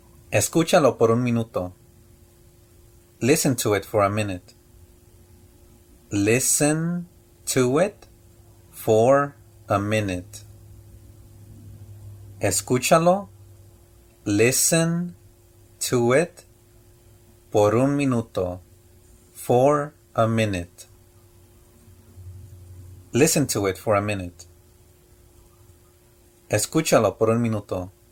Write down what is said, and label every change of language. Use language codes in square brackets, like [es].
[es] Escúchalo por un minuto. [en] Listen to it for a minute. Listen to it for a minute. [es] Escúchalo. [en] Listen to it [es] por un minuto. [en] For a minute. Listen to it for a minute. [es] Escúchalo por un minuto.